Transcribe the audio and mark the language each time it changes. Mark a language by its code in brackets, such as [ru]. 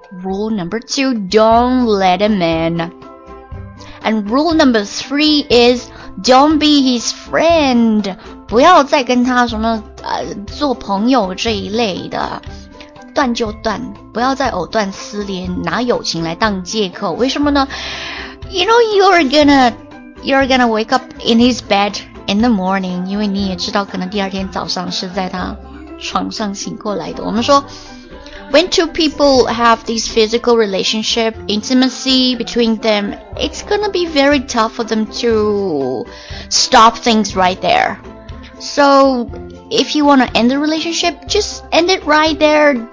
[en] Rule number two， don't let him in。 And rule number three is Don't be his friend. [zh] 不要再跟他什么做朋友这一类的。断就断，不要再藕断丝连，拿友情来当借口。为什么呢？ [en] You know you're gonna wake up in his bed in the morning. [zh] 因为你也知道可能第二天早上是在他床上醒过来的。我们说 [en] When two people have this physical relationship, intimacy between them, it's gonna be very tough for them to stop things right there. So, if you wanna end the relationship, just end it right there.